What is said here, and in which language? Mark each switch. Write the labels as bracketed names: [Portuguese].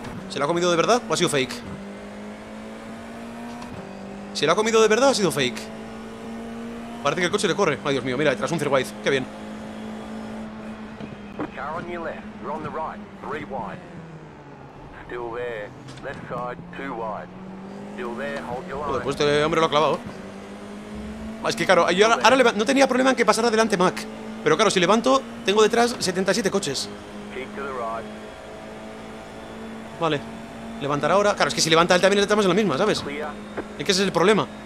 [Spanish] ¿Se lo ha comido de verdad o ha sido fake? ¿Se lo ha comido de verdad o ha sido fake? Parece que el coche le corre. Ay, Dios mío, mira, detrás un Zerwide. Qué bien. [English] Car on your left, we're on the right, three wide. Still there, left side, two wide. Still there, hold your line. [Spanish] Joder, pues este hombre lo ha clavado. Es que claro, yo ahora no tenía problema en que pasara adelante Mac. Pero claro, si levanto, tengo detrás 77 coches. [English] Keep to the right. [Spanish] Vale, levantar ahora. Claro, es que si levanta él también le estamos en la misma, ¿sabes? Es que ese es el problema.